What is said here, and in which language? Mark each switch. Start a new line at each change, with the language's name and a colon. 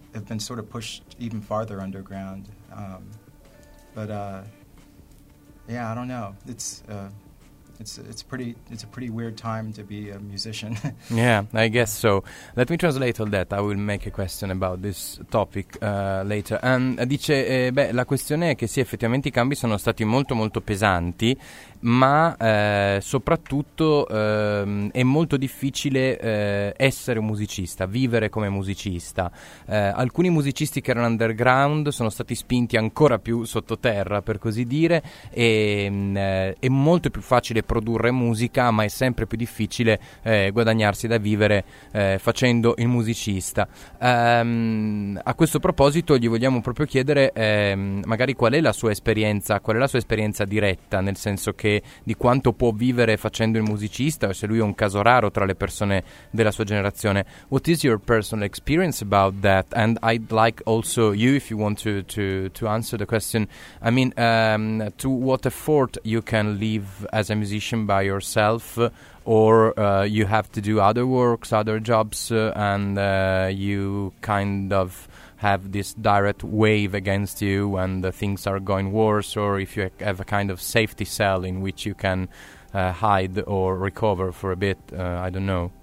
English: have been sort of pushed even farther underground. Yeah, I don't know. It's a pretty weird time to be a musician. Yeah, I guess so. Let me translate all that. I will make a question about this topic later.
Italian: Dice, la questione è che sì, effettivamente i cambi sono stati molto molto pesanti, ma soprattutto è molto difficile essere un musicista, vivere come musicista. Alcuni musicisti che erano underground sono stati spinti ancora più sottoterra, per così dire, e è molto più facile produrre musica, ma è sempre più difficile guadagnarsi da vivere facendo il musicista. A questo proposito gli vogliamo proprio chiedere magari qual è la sua esperienza diretta, nel senso che di quanto può vivere facendo il musicista, o se lui è un caso raro tra le persone della sua generazione.
English: What is your personal experience about that? And I'd like also you, if you want to answer the question, I mean, to what effort you can live as a musician by yourself, or you have to do other works, other jobs, and you kind of have this direct wave against you when the things are going worse, or if you have a kind of safety cell in which you can hide or recover for a bit, I don't know.